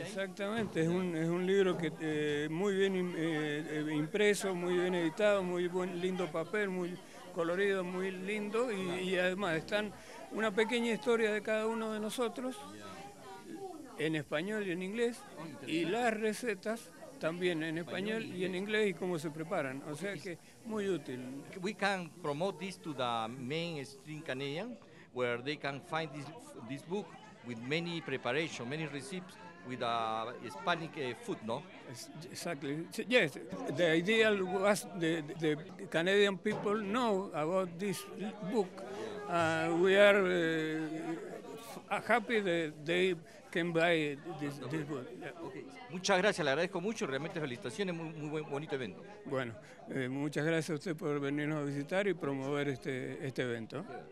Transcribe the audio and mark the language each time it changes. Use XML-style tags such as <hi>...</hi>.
<es>Exactamente, es un libro que muy bien impreso, muy bien editado, muy buen, lindo papel, muy colorido, muy lindo. Y además están una pequeña historia de cada uno de nosotros en español y en inglés, y las recetas también en español y en inglés y cómo se preparan, o sea que muy útil.</es> <en>We can promote this to the mainstream Canadian, where they can find this book with many preparation, many recipes with Hispanic food, no? Exactly, yes, the idea was the Canadian people know about this book. We are happy that they can buy this book. Okay.</en> <es>Muchas gracias, le agradezco mucho, realmente felicitaciones, muy buen, bonito evento. Bueno, muchas gracias a usted por venirnos a visitar y promover este evento.</es>